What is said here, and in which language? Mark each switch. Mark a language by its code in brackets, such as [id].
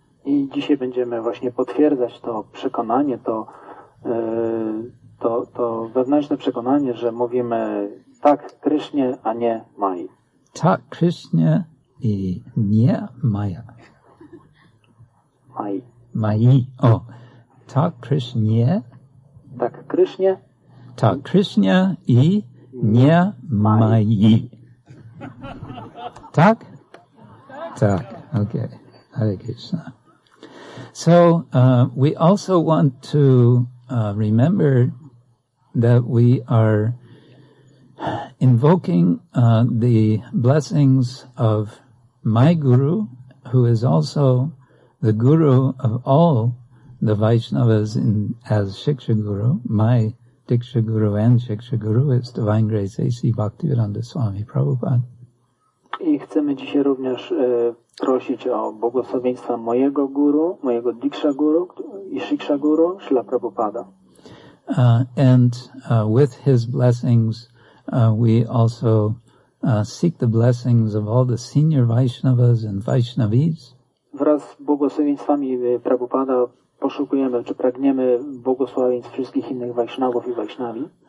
[pl] I dzisiaj będziemy właśnie potwierdzać to przekonanie, to wewnętrzne przekonanie, że mówimy tak Krishnie, a nie Maji. Tak Krishnie i nie Maya. Mai. O. Tak Krishnie. Tak Krishnie. Tak Krishnie i nie Mai. Tak? Tak. Okay. Hare Krishna. [en] So, we also want to remember that we are invoking the blessings of my guru, who is also the guru of all the Vaishnavas in, as Shiksha Guru. My Diksha Guru and Shiksha Guru is Divine Grace A.C. Bhaktivedanta Swami Prabhupada. [pl] I chcemy dzisiaj również prosić o błogosławieństwa mojego guru, mojego Diksha Guru i Shiksha Guru, Śla Prabhupada. [en] And with his blessings, we also seek the blessings of all the senior Vaishnavas and Vaishnavis. [pl] Wraz z błogosławieństwami Prabhupada poszukujemy, czy pragniemy błogosławieństw wszystkich innych Vaishnavów i Vaishnavi.